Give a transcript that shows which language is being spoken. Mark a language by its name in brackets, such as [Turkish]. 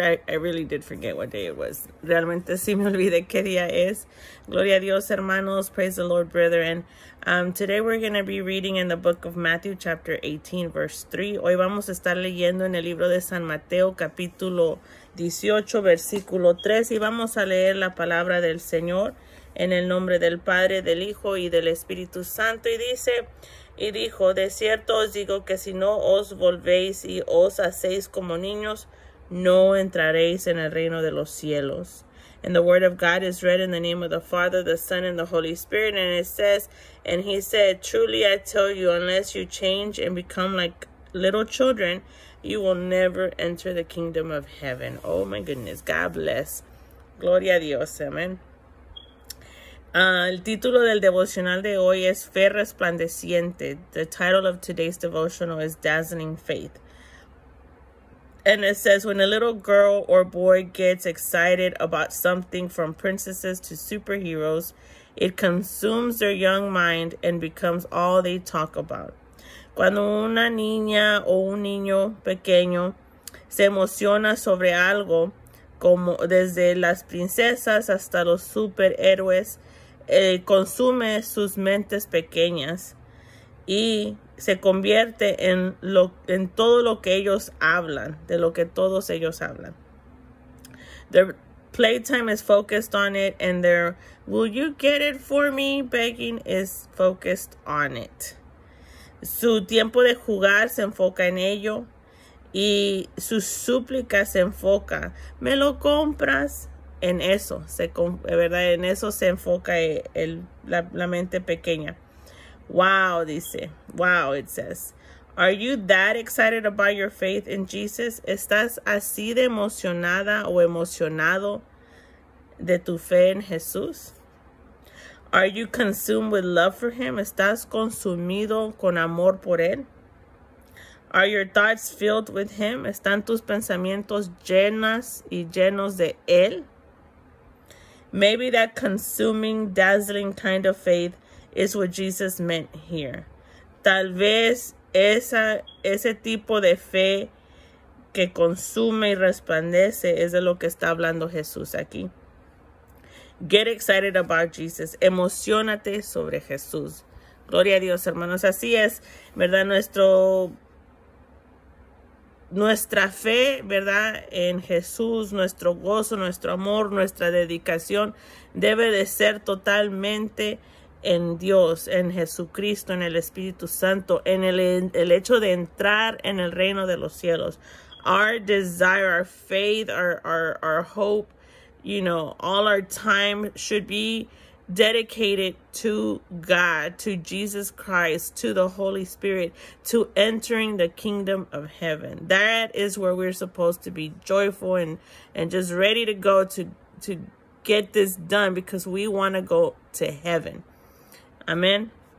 [English] I really did forget what day it was. [Spanish] Realmente sí me olvidé qué día es. Gloria a Dios, hermanos. [English] Praise the Lord, brethren. Today we're going to be reading in the book of Matthew, chapter 18, verse 3. [Spanish] Hoy vamos a estar leyendo en el libro de San Mateo, capítulo 18, versículo 3. Y vamos a leer la palabra del Señor en el nombre del Padre, del Hijo y del Espíritu Santo. Y dice, y dijo, de cierto os digo que si no os volvéis y os hacéis como niños, no entraréis en el reino de los cielos. [English] And the word of God is read in the name of the Father, the Son, and the Holy Spirit. And it says, and he said, truly I tell you, unless you change and become like little children, you will never enter the kingdom of heaven. Oh my goodness, God bless. [Spanish] Gloria a Dios, amen. El título del devocional de hoy es Fe Resplandeciente. [English] The title of today's devotional is Dazzling Faith. And it says, when a little girl or boy gets excited about something from princesses to superheroes, it consumes their young mind and becomes all they talk about. [Spanish] Cuando una niña o un niño pequeño se emociona sobre algo, como desde las princesas hasta los superhéroes, consume sus mentes pequeñas y se convierte en lo en todo lo que ellos hablan, de lo que todos ellos hablan. [English] Their playtime is focused on it, and their will you get it for me begging is focused on it. [Spanish] Su tiempo de jugar se enfoca en ello, y su súplica se enfoca, me lo compras, en eso, ¿verdad? En eso se enfoca la mente pequeña. [English] Wow, dice. Wow, it says. Are you that excited about your faith in Jesus? [Spanish] ¿Estás así de emocionada o emocionado de tu fe en Jesús? [English] Are you consumed with love for him? [Spanish] ¿Estás consumido con amor por él? [English] Are your thoughts filled with him? [Spanish] ¿Están tus pensamientos llenas y llenos de él? [English] Maybe that consuming, dazzling kind of faith is what Jesus meant here. [Spanish] Tal vez ese tipo de fe que consume y resplandece es de lo que está hablando Jesús aquí. [English] Get excited about Jesus. [Spanish] Emocionate sobre Jesús. Gloria a Dios, hermanos. Así es, ¿verdad? Nuestra fe, ¿verdad? En Jesús, nuestro gozo, nuestro amor, nuestra dedicación debe de ser totalmente en Dios, en Jesucristo, en el Espíritu Santo, en el hecho de entrar en el reino de los cielos. [English] Our desire, our faith, our hope, you know, all our time should be dedicated to God, to Jesus Christ, to the Holy Spirit, to entering the kingdom of heaven. That is where we're supposed to be joyful and just ready to go to get this done because we want to go to heaven. Amen.